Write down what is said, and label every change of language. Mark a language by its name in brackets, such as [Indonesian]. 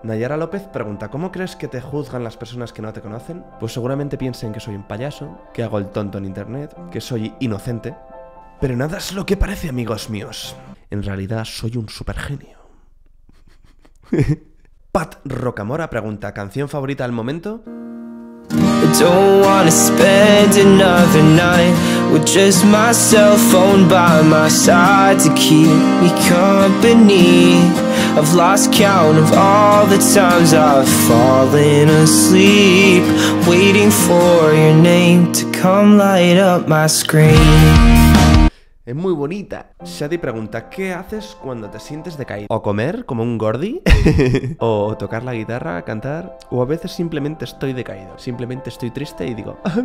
[Spanish] Nayara López pregunta, ¿cómo crees que te juzgan las personas que no te conocen? Pues seguramente piensen que soy un payaso, que hago el tonto en internet, que soy inocente. Pero nada es lo que parece, amigos míos. En realidad soy un supergenio. Pat Rocamora pregunta, ¿canción favorita al momento? [English] I don't wanna spend another night with just my cell phone by my side to keep me company. I've lost count of all the times I've fallen asleep waiting for your name to come light up my screen. [Spanish] Es muy bonita. Shady pregunta, ¿qué haces cuando te sientes decaído? ¿O comer como un gordi? ¿O tocar la guitarra, cantar? ¿O a veces simplemente estoy decaído? Simplemente estoy triste y digo...